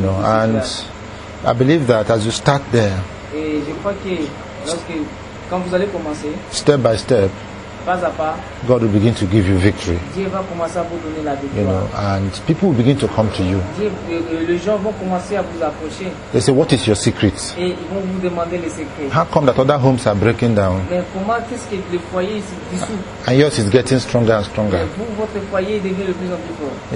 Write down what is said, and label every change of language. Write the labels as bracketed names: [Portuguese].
[English] You know, and I believe that as you start there. [French] Et je crois que quand vous allez commencer. [English] Step by step. [French] Pas à pas. [English] God will begin to give you victory. [French] Dieu va commencer à vous donner la victoire. [English] You know, and people will begin to come to you. [French] Les gens vont commencer à vous approcher. [English] They say, "What is your secret?" [French] Et ils vont vous demander les secrets. [English] How come that other homes are breaking down? [French] Mais comment est-ce que le foyer se dissout? [English] And yours is getting stronger and stronger. [French] Et vous, votre foyer devient de plus en plus fort.